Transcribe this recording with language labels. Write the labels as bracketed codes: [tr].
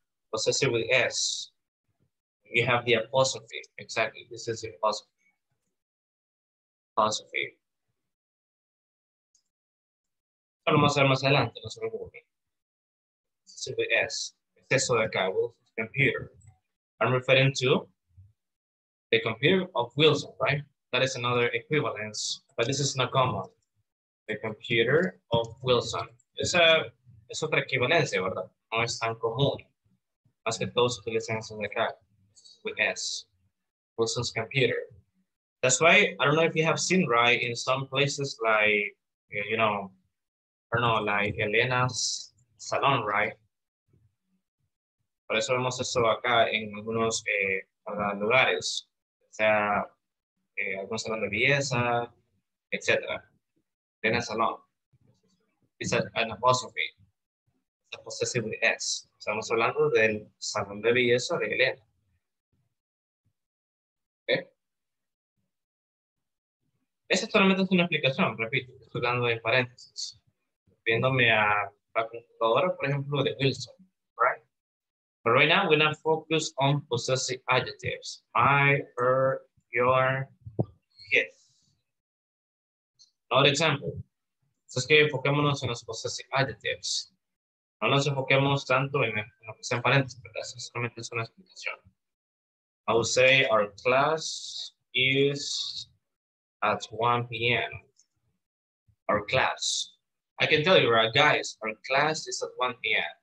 [en] Possessive with s. You have the apostrophe. Exactly. This is the apostrophe. [es] Lo vamos a ver más adelante, no se preocupen. Es eso de acá, [en] Wilson's computer. I'm referring to the computer of Wilson, right? That is another equivalence, but this is not common. The computer of Wilson. [es] Es otra equivalencia, ¿verdad? No es tan común. Más que todos utilizan eso de acá, [en] with S. Wilson's computer. That's why, I don't know if you have seen, right, in some places like, you know, I don't know, like Elena's salon, right? [es] Por eso vemos eso acá en algunos lugares. O sea, algún salón de belleza, etc. Elena's salon. [en] It's an apostrophe. It's a possessive with S. [es] Estamos hablando del salón de belleza de Elena. ¿Okay? Esa solamente es una explicación, repito, estoy dando en paréntesis. Viéndome a la computadora, por ejemplo, de Wilson, right? [en] But right now, we're going to focus on possessive adjectives. My, her, your, his. Another example. [es] Entonces, que enfoquémonos en los possessive adjectives. No nos enfoquemos tanto en lo que sea en paréntesis, pero eso solamente es una explicación. [en] I would say our class is at 1 p.m. Our class. I can tell you, right, guys, our class is at 1 p.m.